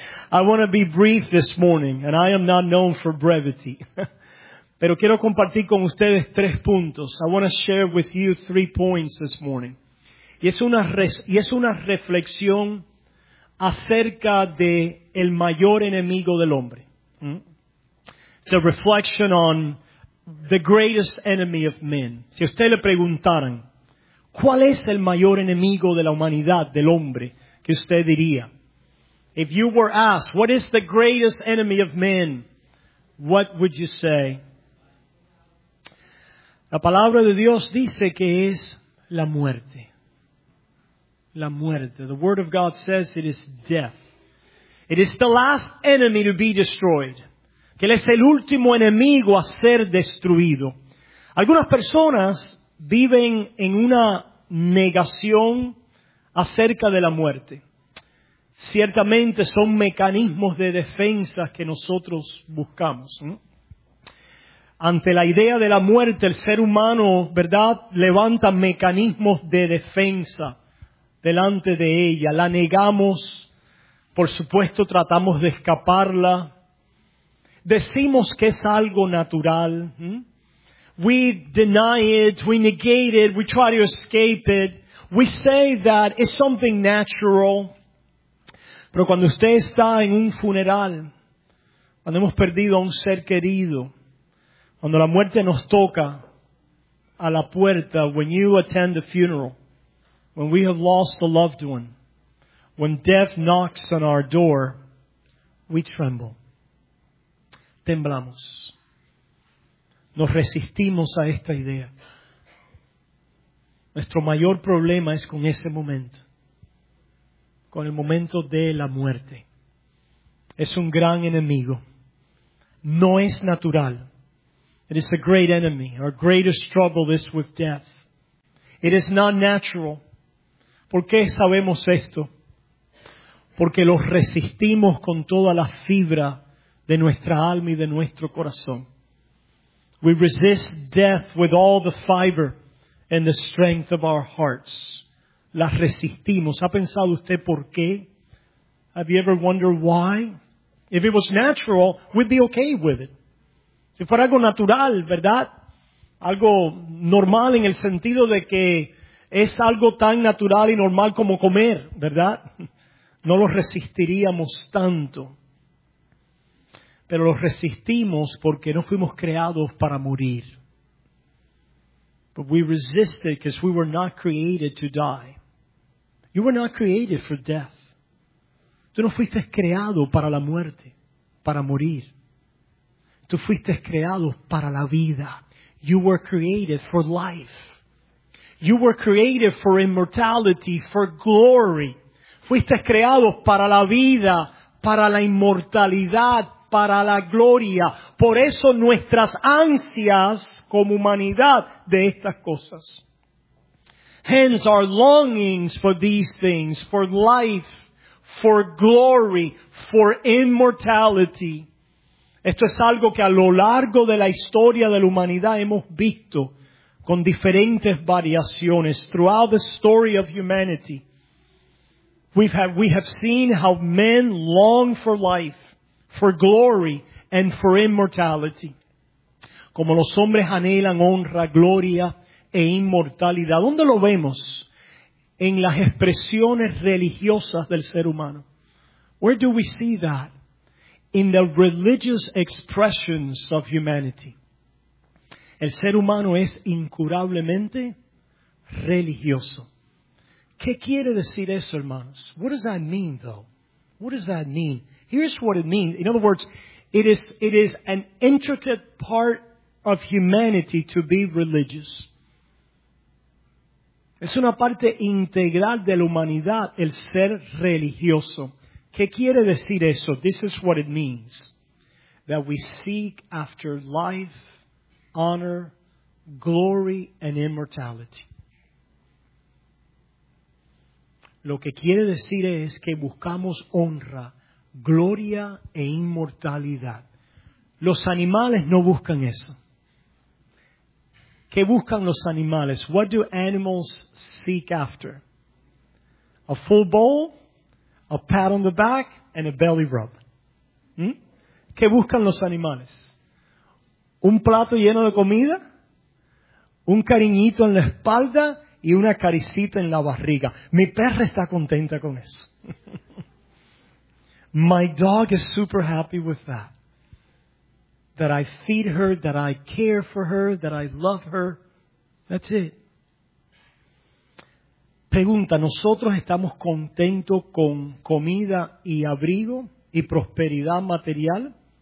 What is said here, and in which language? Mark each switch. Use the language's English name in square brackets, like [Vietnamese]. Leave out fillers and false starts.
[English] I want to be brief this morning, and I am not known for brevity. [Spanish] Pero quiero compartir con ustedes tres puntos. [English] I want to share with you three points this morning. [Spanish] Y es una reflexión acerca de el mayor enemigo del hombre. [English] It's a reflection on the greatest enemy of men. [Spanish] Si usted le preguntaran, ¿cuál es el mayor enemigo de la humanidad, del hombre, que usted diría? [English] If you were asked, what is the greatest enemy of men? What would you say? [Spanish] La palabra de Dios dice que es la muerte. La muerte. [English] The word of God says it is death. It is the last enemy to be destroyed. [Spanish] que Él es el último enemigo a ser destruido. Algunas personas viven en una negación acerca de la muerte. Ciertamente son mecanismos de defensa que nosotros buscamos, ¿no? Ante la idea de la muerte, el ser humano, ¿verdad?, levanta mecanismos de defensa delante de ella. La negamos, por supuesto, tratamos de escaparla. Decimos que es algo natural. [English] We deny it, we negate it, we try to escape it. We say that it's something natural. [Spanish] Pero cuando usted está en un funeral, cuando hemos perdido a un ser querido, cuando la muerte nos toca a la puerta, [English] when you attend a funeral, when we have lost a loved one, when death knocks on our door, we tremble. [Spanish] Temblamos. Nos resistimos a esta idea. Nuestro mayor problema es con ese momento, con el momento de la muerte. Es un gran enemigo. No es natural. [English] It is a great enemy. Our greatest struggle is with death. It is not natural. [Spanish] ¿Por qué sabemos esto? Porque los resistimos con toda la fibra de nuestra alma y de nuestro corazón. [English] We resist death with all the fiber and the strength of our hearts. [Spanish] Las resistimos. ¿Ha pensado usted por qué? [English] Have you ever wondered why? If it was natural, we'd be okay with it. [Spanish] Si fuera algo natural, ¿verdad? Algo normal en el sentido de que es algo tan natural y normal como comer, ¿verdad? No lo resistiríamos tanto. Pero lo resistimos porque no fuimos creados para morir. [English] But we resisted because we were not created to die. You were not created for death. [Spanish] Tú no fuiste creado para la muerte, para morir. Tú fuiste creado para la vida. [English] You were created for life. You were created for immortality, for glory. [Spanish] Fuiste creado para la vida, para la inmortalidad, para la gloria. Por eso nuestras ansias como humanidad de estas cosas. [English] Hence our longings for these things, for life, for glory, for immortality. [Spanish] Esto es algo que a lo largo de la historia de la humanidad hemos visto con diferentes variaciones. [English] Throughout the story of humanity, we have seen how men long for life, for glory, and for immortality. [Spanish] Como los hombres anhelan honra, gloria e inmortalidad. ¿Dónde lo vemos? En las expresiones religiosas del ser humano. [English] Where do we see that? In the religious expressions of humanity. [Spanish] El ser humano es incurablemente religioso. ¿Qué quiere decir eso, hermanos? [English] What does that mean, though? What does that mean? Here's what it means. In other words, it is an intricate part of humanity to be religious. [Spanish] Es una parte integral de la humanidad el ser religioso. ¿Qué quiere decir eso? [English] This is what it means. That we seek after life, honor, glory, and immortality. [Spanish] Lo que quiere decir es que buscamos honra, gloria e inmortalidad. Los animales no buscan eso. ¿Qué buscan los animales? [English] What do animals seek after? A full bowl? A pat on the back and a belly rub. [Spanish] ¿Qué buscan los animales? ¿Un plato lleno de comida? ¿Un cariñito en la espalda y una caricita en la barriga? Mi perra está contenta con eso. [English] My dog is super happy with that. That I feed her, that I care for her, that I love her. That's it. [Spanish] Pregunta, ¿nosotros estamos contentos con comida y abrigo y prosperidad material?